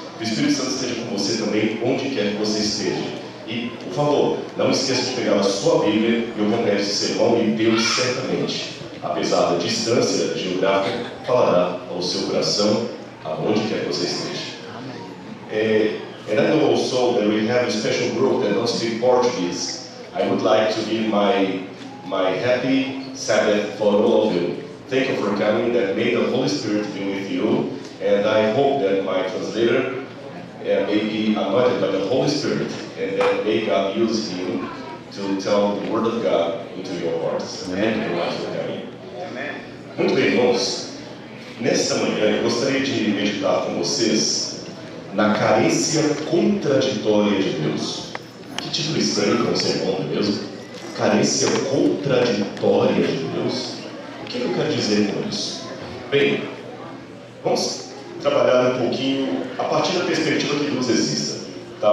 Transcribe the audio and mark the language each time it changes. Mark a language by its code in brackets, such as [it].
[pt] Que o Espírito Santo esteja com você também, onde quer que você esteja. E, por favor, não esqueça de pegar a sua Bíblia e o Evangelho de Sermão de Deus, certamente, apesar da distância geográfica, falará ao seu coração, aonde quer que você esteja. [en] And I know also that we have a special group that don't speak Portuguese. I would like to give my happy Sabbath for all of you. Thank you for coming, that may the Holy Spirit be with you. And I hope that my translator may be anointed by the Holy Spirit, and that may God use him to tell the Word of God into your hearts. Amen. Thank you very much for coming. Amen. [pt] Muito bem, irmãos. Nessa manhã, eu gostaria de meditar com vocês na carência contraditória de Deus. Que título estranho para um sermão, não é mesmo? Carência contraditória de Deus. O que eu quero dizer com isso? Bem, vamos trabalhar um pouquinho a partir da perspectiva que Deus exista. Tá?